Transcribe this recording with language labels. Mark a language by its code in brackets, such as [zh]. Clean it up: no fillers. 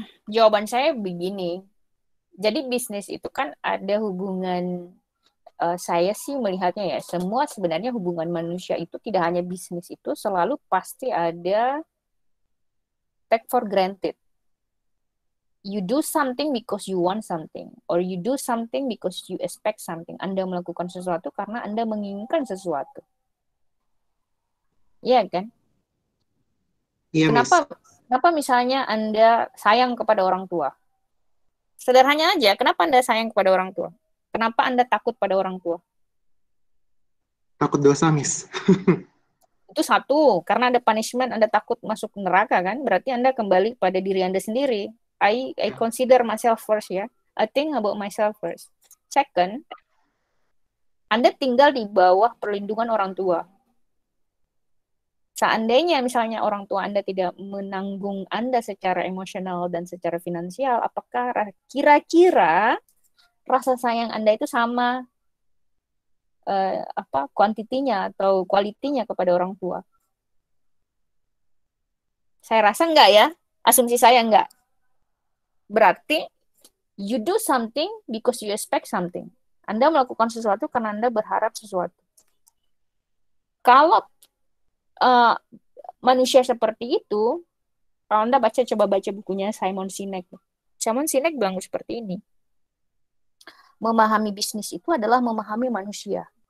[id] Jawaban saya begini. Jadi bisnis itu kan ada hubungan, saya sih melihatnya ya, semua sebenarnya hubungan manusia itu tidak hanya bisnis itu, selalu pasti ada [en] take for granted. You do something because you want something, or you do something because you expect something. [id] Anda melakukan sesuatu karena Anda menginginkan sesuatu. Iya kan? Iya, yeah, Kenapa? Miss. Kenapa misalnya Anda sayang kepada orang tua? Sederhananya aja, kenapa Anda sayang kepada orang tua? Kenapa Anda takut pada orang tua? Takut dosa, Miss. Itu satu, karena ada punishment, Anda takut masuk neraka kan? Berarti Anda kembali pada diri Anda sendiri. [en] I consider myself first ya. I think about myself first. [id] Second, Anda tinggal di bawah perlindungan orang tua. Seandainya misalnya orang tua Anda tidak menanggung Anda secara emosional dan secara finansial, apakah kira-kira rasa sayang Anda itu sama apa kuantitinya atau kualitinya kepada orang tua? Saya rasa enggak ya, asumsi saya enggak. [en] Berarti you do something because you expect something. [id] Anda melakukan sesuatu karena Anda berharap sesuatu. Kalau manusia seperti itu, kalau Anda baca, coba baca bukunya Simon Sinek. Simon Sinek bilang seperti ini, memahami bisnis itu adalah memahami manusia.